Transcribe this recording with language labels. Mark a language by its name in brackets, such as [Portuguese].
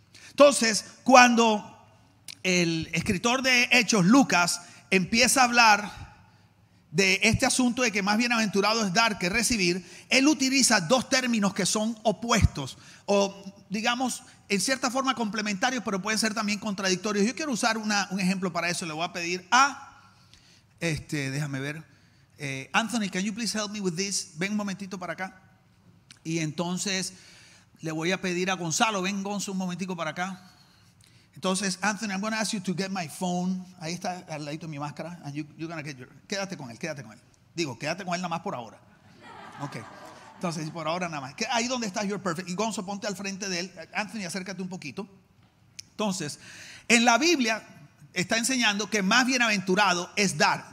[Spanish] Entonces, cuando el escritor de Hechos, Lucas, empieza a hablar de este asunto de que más bienaventurado es dar que recibir, él utiliza dos términos que son opuestos o, digamos, en cierta forma complementarios, pero pueden ser también contradictorios. Yo quiero usar un ejemplo para eso. Le voy a pedir a Anthony, [English] can you please help me with this? [Spanish] Ven un momentito para acá. Y entonces le voy a pedir a Gonzalo, ven Gonzo un momentico para acá. [English] Entonces, Anthony, I'm going to ask you to get my phone. [Spanish] Ahí está al ladito de mi máscara. [English] And you're going to get your... [Spanish] Quédate con él. Digo, quédate con él nada más por ahora. Ok. Entonces, por ahora nada más. Ahí donde estás, [English] you're perfect. [Spanish] Y Gonzo, ponte al frente de él. Anthony, acércate un poquito. Entonces, en la Biblia está enseñando que más bienaventurado es dar.